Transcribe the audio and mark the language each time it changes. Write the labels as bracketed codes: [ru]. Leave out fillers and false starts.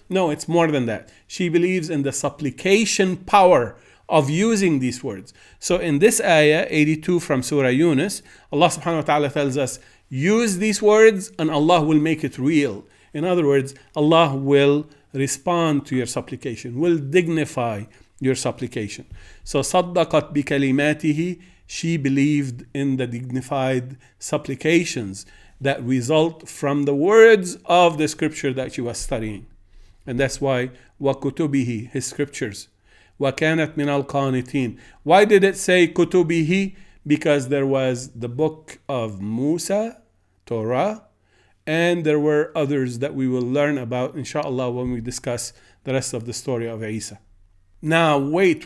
[en] No, it's more than that. She believes in the supplication power of using these words. So in this ayah, 82 from Surah Yunus, Allah subhanahu wa ta'ala tells us, use these words and Allah will make it real. In other words, Allah will respond to your supplication, will dignify your supplication. [ar] So صَدَّقَتْ بِكَلِمَاتِهِ. [en] She believed in the dignified supplications that result from the words of the scripture that she was studying. And that's why, وَكُتُبِهِ, his scriptures. [ar] وَكَانَتْ مِنَ الْقَانِتِينَ. [en] Why did it say كُتُبِهِ? Because there was the book of Musa, Torah, and there were others that we will learn about, inshallah, when we discuss the rest of the story of Isa. Now, wait.